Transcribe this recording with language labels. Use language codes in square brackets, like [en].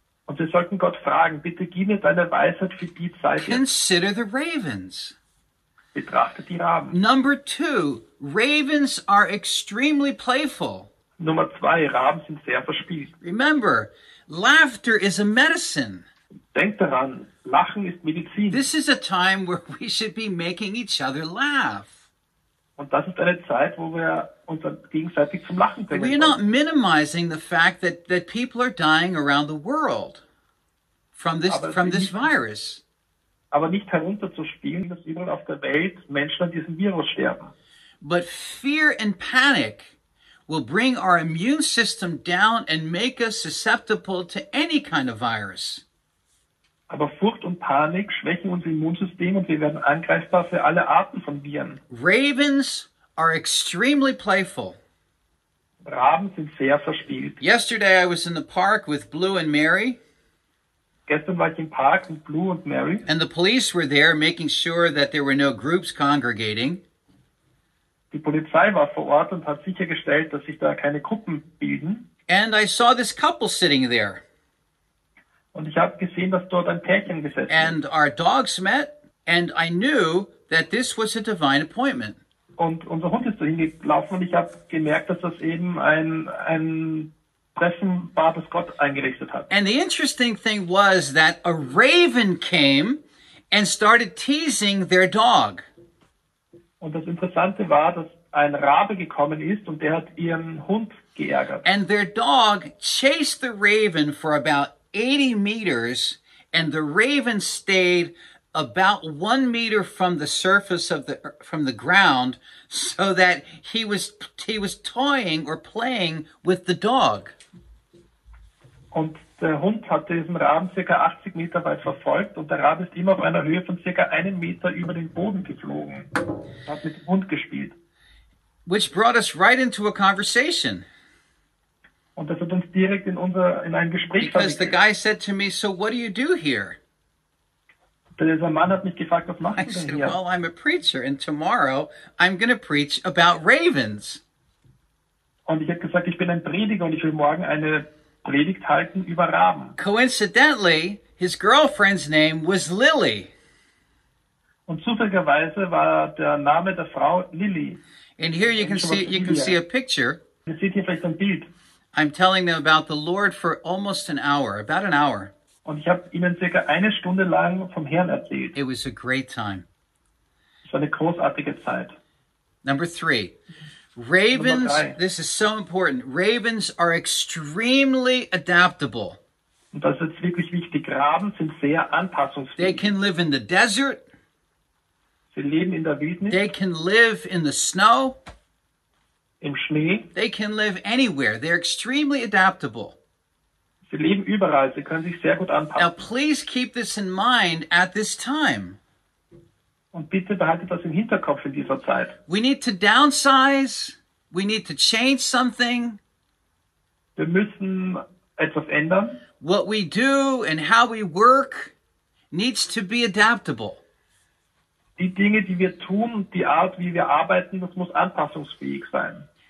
[de] Und wir sollten Gott fragen, bitte gib mir deine Weisheit für die Zeit. [en] Consider the ravens. [de] Betrachte die Raben. [en] Number two, ravens are extremely playful. [de] Nummer zwei, Raben sind sehr verspielt. [en] Remember, laughter is a medicine. [de] Denk daran, Lachen ist Medizin. [en] This is a time where we should be making each other laugh. [de] Und das ist eine Zeit, wo wir uns gegenseitig zum Lachen bringen. [en] We're not minimizing the fact that people are dying around the world from this virus. [de] Aber nicht herunterzuspielen, dass überall auf der Welt Menschen an diesem Virus sterben. [en] But fear and panic will bring our immune system down and make us susceptible to any kind of virus. [de] Aber Furcht und Panik schwächen unser Immunsystem und wir werden angreifbar für alle Arten von Viren. [en] Ravens are extremely playful. [de] Raben sind sehr verspielt. [en] Yesterday I was in the park with Blue and Mary. [de] Gestern war ich im Park mit Blue und Mary. [en] And the police were there making sure that there were no groups congregating. [de] Die Polizei war vor Ort und hat sichergestellt, dass sich da keine Gruppen bilden. [en] And I saw this couple sitting there. [de] Und ich habe gesehen, dass dort ein Pärchen gesessen ist. [en] And our dogs met, and I knew that this was a divine appointment. [de] Und unser Hund ist dahin gelaufen und ich habe gemerkt, dass das eben ein Treffen war, das Gott eingerichtet hat. [en] And the interesting thing was that a raven came and started teasing their dog. [de] Und das Interessante war, dass ein Rabe gekommen ist und der hat ihren Hund geärgert. [en] And their dog chased the raven for about 80 meters and the raven stayed about 1 meter from the surface of the ground so that he was toying or playing with the dog. [de] Und der Hund hat diesen Raben circa 80 Meter weit verfolgt und der Rabe ist immer auf einer Höhe von circa 1 Meter über den Boden geflogen. Hat mit dem Hund gespielt. [en] Which brought us right into a conversation. [de] Und das hat uns direkt in ein Gespräch verwickelt. [en] Because the guy said to me, so what do you do here? [de] Dieser Mann hat mich gefragt, was machst du denn hier? [en] I said, well, I'm a preacher and tomorrow I'm going to preach about ravens. [de] Und ich habe gesagt, ich bin ein Prediger und ich will morgen eine Predigt halten über Raben. [en] Coincidentally, his girlfriend's name was Lily. [de] Und zufälligerweise war der Name der Frau Lily. [en] And here you can see a picture. [de] Ihr seht hier vielleicht ein Bild. [en] I'm telling them about the Lord for almost an hour, about an hour. [de] Und ich habe ihnen circa eine Stunde lang vom Herrn erzählt. [en] It was a great time. [de] Es war eine großartige Zeit. [en] Number three. Ravens, this is so important. Ravens are extremely adaptable. [de] Und das ist wirklich wichtig. Raben sind sehr anpassungsfähig. [en] They can live in the desert. [de] Sie leben in der Wildnis. [en] They can live in the snow. [de] Im Schnee. [en] They can live anywhere. They're extremely adaptable. [de] Sie leben überall. Sie können sich sehr gut anpassen. [en] Now please keep this in mind at this time. [de] Und bitte behaltet das im Hinterkopf in dieser Zeit. [en] We need to downsize. We need to change something. [de] Wir müssen etwas ändern. [en] What we do and how we work needs to be adaptable. [de] Die Dinge, die wir tun und die Art, wie wir arbeiten, das muss anpassungsfähig sein.